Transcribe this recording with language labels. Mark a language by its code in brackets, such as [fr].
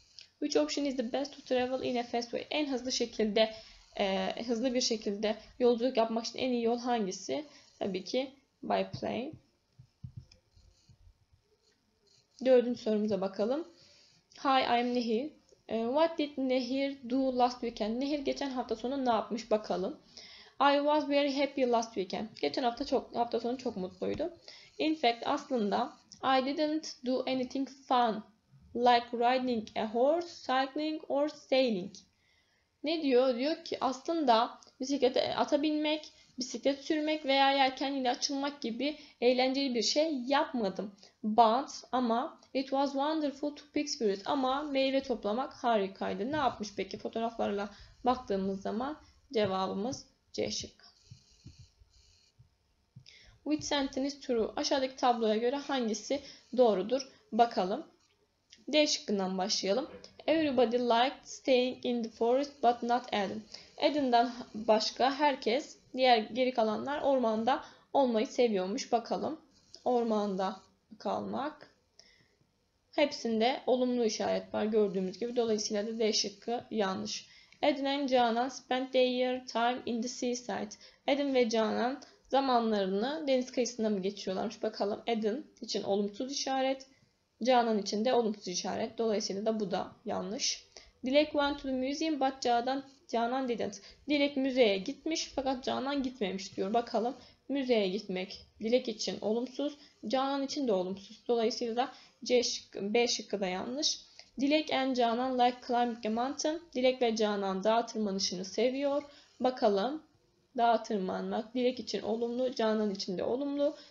[en] Which option is the best to travel in a fast way? [tr] En hızlı şekilde, hızlı bir şekilde yolculuk yapmak için en iyi yol hangisi? Tabii ki [en] by plane. [tr] Dördüncü sorumuza bakalım. [en] Hi, I'm Nehir. What did Nehir do last weekend? [tr] Nehir geçen hafta sonu ne yapmış bakalım. [en] I was very happy last weekend. [tr] Geçen hafta çok hafta sonu çok mutluydu. [en] In fact, [tr] aslında [en] I didn't do anything fun. Like riding a horse, cycling or sailing. [tr] Ne diyor? Diyor ki aslında bisiklete ata binmek, bisiklet sürmek veya yelken ile açılmak gibi eğlenceli bir şey yapmadım. But ama it was wonderful to pick fruit. Ama meyve toplamak harikaydı. Ne yapmış peki? Fotoğraflarla baktığımız zaman cevabımız C şıkkı. [en] Which sentence is true? [tr] Aşağıdaki tabloya göre hangisi doğrudur? Bakalım. D şıkkından başlayalım. [en] Everybody liked staying in the forest but not Eden. [tr] Eden'dan başka herkes, diğer geri kalanlar ormanda olmayı seviyormuş. Bakalım. Ormanda kalmak. Hepsinde olumlu işaret var gördüğümüz gibi. Dolayısıyla da D şıkkı yanlış. [en] Eden and Canan spent their time in the seaside. [tr] Eden ve Canan zamanlarını deniz kıyısında mı geçiriyorlarmış? Bakalım. Eden için olumsuz işaret. Canan için de olumsuz işaret. Dolayısıyla da bu da yanlış. [en] Dilek went to the museum but Canan didn't. [tr] Dilek müzeye gitmiş fakat Canan gitmemiş diyor. Bakalım müzeye gitmek Dilek için olumsuz, Canan için de olumsuz. Dolayısıyla da C şıkkı, B şıkkı da yanlış. [en] Dilek and Canan like climbing a mountain. [tr] Dilek ve Canan dağ tırmanışını seviyor. Bakalım dağ tırmanmak Dilek için olumlu, Canan için de olumlu.